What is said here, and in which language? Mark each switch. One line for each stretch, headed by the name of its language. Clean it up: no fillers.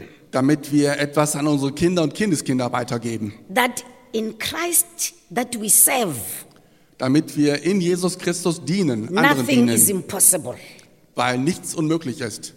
German: damit wir etwas an unsere Kinder und Kindeskinder weitergeben.
English: That in Christ that we serve,
German: damit wir in Jesus Christus dienen, anderen
English: nothing
German: dienen,
English: is impossible,
German: weil nichts unmöglich ist.